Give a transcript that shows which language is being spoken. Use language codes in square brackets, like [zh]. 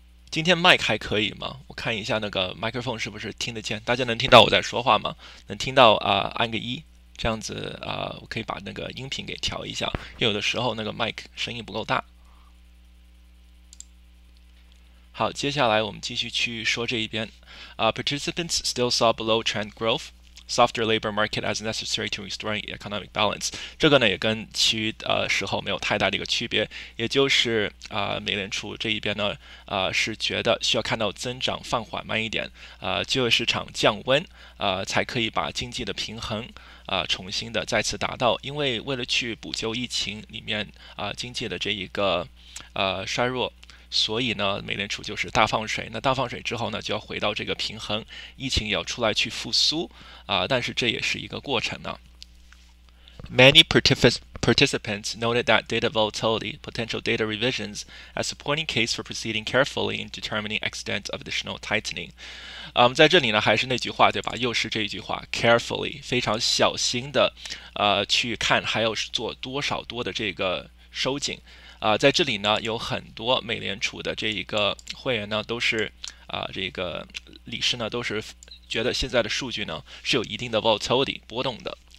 [zh] 今天麦还可以吗？我看一下那个麦克风是不是听得见，大家能听到我在说话吗？能听到按个一，这样子我可以把那个音频给调一下，因为有的时候那个麦克声音不够大。好，接下来我们继续去说这一边。 [en] Participants still saw below trend growth, softer labor market as necessary to restoring economic balance。 [zh] 这个呢也跟其余时候没有太大的一个区别，也就是美联储这一边呢是觉得需要看到增长放缓慢一点，就业市场降温，才可以把经济的平衡重新的再次达到，因为为了去补救疫情里面经济的这一个衰弱。所以呢，美联储就是大放水。那大放水之后呢，就要回到这个平衡，疫情也要出来去复苏啊。但是这也是一个过程呢。 [en] Many participants noted that data volatility, potential data revisions, as supporting case for proceeding carefully in determining extent of additional tightening。 [zh] 在这里呢，还是那句话，对吧？又是这一句话，carefully，非常小心的，去看还要做多少多的这个收紧。在这里呢，有很多美联储的这一个会员呢，都是这个理事呢，都是觉得现在的数据呢是有一定的 volatility 波动的。